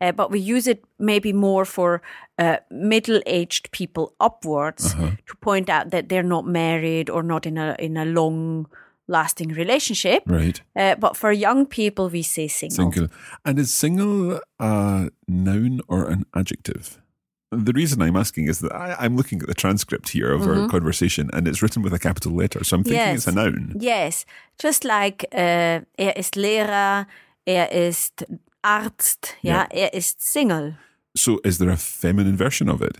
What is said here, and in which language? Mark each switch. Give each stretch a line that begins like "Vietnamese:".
English: But we use it maybe more for middle-aged people upwards to point out that they're not married or not in a long-lasting relationship. Right. But for young people, we say single. Single. And is single a noun or an adjective? The reason I'm asking is that I'm looking at the transcript here of our conversation, and it's written with a capital letter, so I'm thinking it's a noun. Yes, just like
German: er ist Lehrer, er ist Arzt, er ist single.
English: So is there a feminine version of it?